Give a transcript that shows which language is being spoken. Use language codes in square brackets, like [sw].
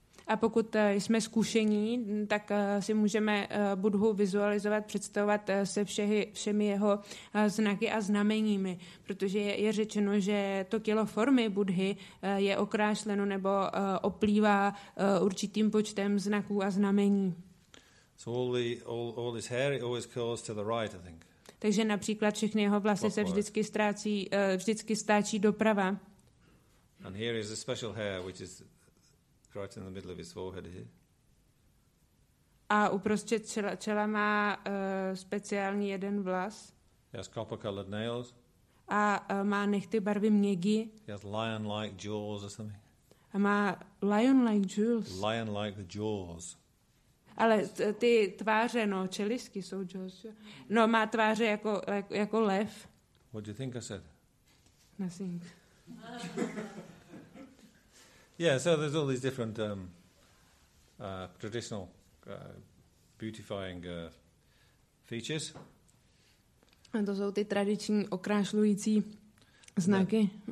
[cs] A pokud jsme zkušení, tak si můžeme Buddhu vizualizovat, představovat se všemi jeho znaky a znameními. Protože je řečeno, že to tělo formy Buddhy je okrášleno nebo oplývá určitým počtem znaků a znamení. [en] So all his hair always curls to the right, I think. [cs] Takže například všechny jeho vlasy se vždycky ztrácí, vždycky stáčí doprava. [en] And here is a special hair, which is right in the middle of his forehead here. [cs] A uprostřed čela má speciální jeden vlas. [en] He has copper-colored nails. [cs] A má nechty barvy měgi. [en] He has lion-like jaws or something. [cs] A má [en] lion-like jaws. Lion-like jaws. [cs] Ale ty tváře, no, čelisky jsou jaws. No, má tváře jako lev. [en] What do you think I said? Nothing. Yeah, so there's all these different traditional beautifying features. [cs] A to jsou ty tradiční okrášlující znaky.